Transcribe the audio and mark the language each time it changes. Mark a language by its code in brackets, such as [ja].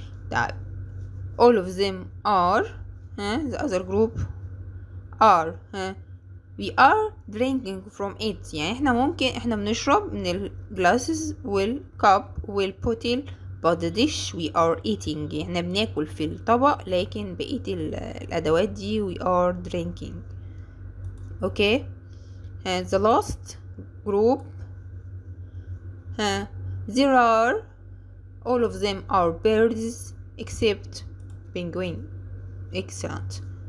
[en] طيب all of them are the other group are we are drinking from it. [ar] يعني احنا ممكن احنا بنشرب من ال glasses وال cup وال bottle [en] but the dish we are eating. [ar] احنا بناكل في الطبق لكن بقية الادوات دي [en] we are drinking. Okay and the last group there are all of them are birds except penguin. Excellent.